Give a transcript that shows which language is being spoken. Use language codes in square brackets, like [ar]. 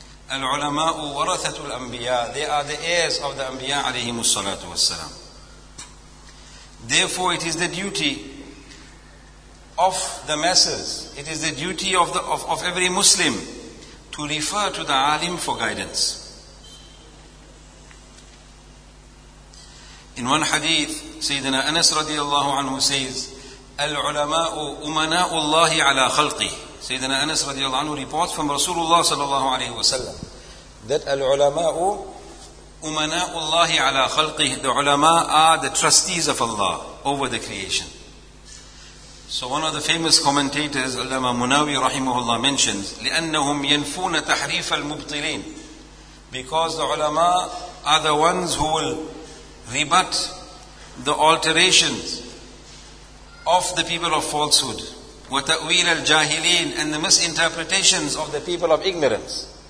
[ar] العلماء ورثة الأنبياء. [en] They are the heirs of the [ar] أنبياء عليهم الصلاة والسلام. [en] Therefore, it is the duty of the masses. It is the duty of the of every Muslim to refer to the alim for guidance. In one hadith, [ar] سيدنا أنس رضي الله عنه [en] says, [ar] العلماء أمناء الله على خلقه. سيدنا أنس رضي الله عنه [en] reports from [ar] رسول الله صلى الله عليه وسلم [en] that [ar] العلماء أمناء الله على خلقه. [en] The ulama are the trustees of Allah over the creation. So one of the famous commentators, علامه مناوي رحمه الله, mentions [ar] لأنهم ينفون تحريف المبطلين, [en] because the ulama are the ones who will rebut the alterations of the people of falsehood, [ar] وتأويل الجاهلين, [en] and the misinterpretations of the people of ignorance.